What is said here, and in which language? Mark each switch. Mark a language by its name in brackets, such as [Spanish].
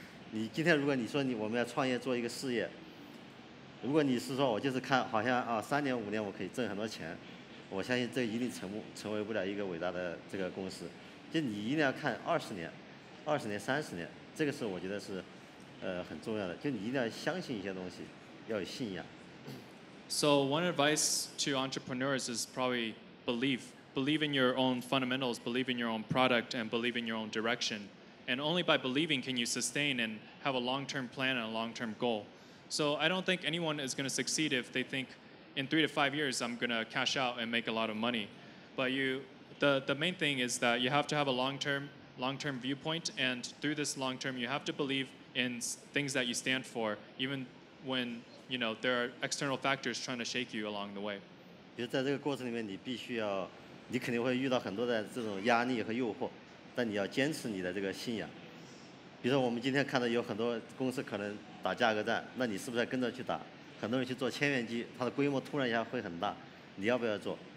[Chinese] 你今天如果你说你我们要创业做一个事业，如果你是说我就是看好像啊三年五年我可以挣很多钱，我相信这一定成为不了一个伟大的这个公司。就你一定要看二十年三十年，这个是我觉得是很重要的，就你一定要相信一些东西，要有信仰。 [English] So one advice to entrepreneurs is probably believe in your own fundamentals, believe in your own product, and believe in your own direction. And only by believing can you sustain and have a long-term plan and a long-term goal. So I don't think anyone is going to succeed if they think in 3 to 5 years I'm going to cash out and make a lot of money. But the main thing is that you have to have a long-term viewpoint, and through this long-term you have to believe in things that you stand for, even when you know there are external factors trying to shake you along the way. [Chinese] 比如在这个过程里面你必须要你肯定会遇到很多的这种压力和诱惑，但你要坚持你的这个信仰。比如说我们今天看到有很多公司可能打价格战，那你是不是要跟着去打？很多人去做千元机，它的规模突然一下会很大，你要不要做？